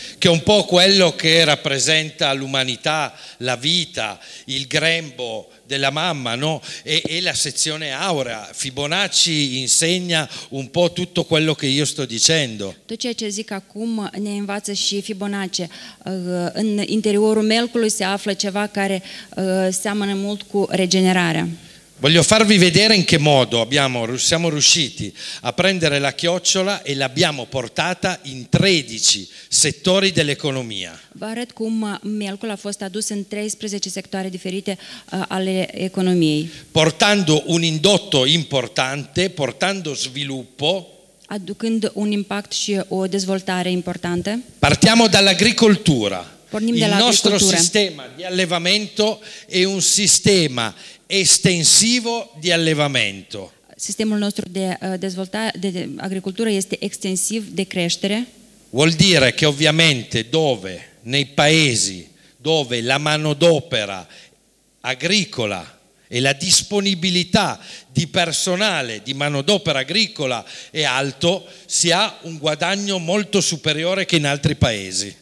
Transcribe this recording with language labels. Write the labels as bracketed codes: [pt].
[it] Che è un po' quello che rappresenta l'umanità, la vita, il grembo della mamma, no? E la sezione aurea. Fibonacci insegna un po' tutto quello che io sto dicendo. [ro] Tot ceea ce zic acum ne învață și Fibonacci. În interiorul mielcului se află ceva care seamănă mult cu regenerarea. [it] Voglio farvi vedere in che modo siamo riusciti a prendere la chiocciola e l'abbiamo portata in 13 settori dell'economia. [ro] Vă arăt cum mielcul a fost adus în 13 sectoare diferite ale economiei. [it] Portando un indotto importante, portando sviluppo. [ro] Aducând un impact și o dezvoltare importante. [it] Partiamo dall'agricoltura. [ro] Pornim [it] il nostro sistema di allevamento è un sistema estensivo di allevamento. [ro] Sistemul nostru de dezvoltare de agricultură este extensiv de creștere. [it] Vuol dire che ovviamente dove nei paesi dove la manodopera agricola e la disponibilità di personale di manodopera agricola è alto, si ha un guadagno molto superiore che in altri paesi.